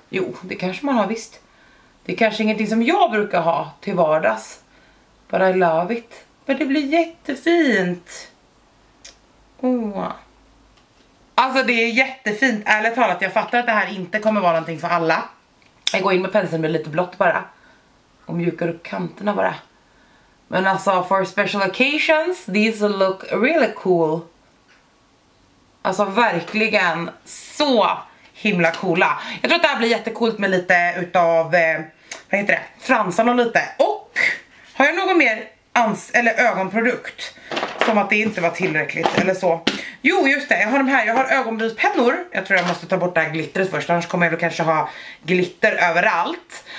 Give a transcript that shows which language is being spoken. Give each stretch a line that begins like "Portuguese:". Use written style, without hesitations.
Swedish: Jo, det kanske man har visst. Det är kanske ingenting som jag brukar ha till vardags.
English: But I love it.
Swedish: Men det blir jättefint. Åh. Alltså det är jättefint, ärligt talat, jag fattar att det här inte kommer vara någonting för alla. Jag går in med penseln med lite blått bara. Och mjukar upp kanterna bara. Men alltså,
English: for special occasions, these look really cool.
Swedish: Alltså verkligen så himla coola. Jag tror att det här blir jättekult med lite utav, vad heter det, fransarna lite. Och, har jag någon mer eller ögonprodukt? Som att det inte var tillräckligt eller så. Jo, just det. Jag har de här. Jag har ögonbryspennor. Jag tror jag måste ta bort det här glittret först. Annars kommer jag väl kanske ha glitter överallt.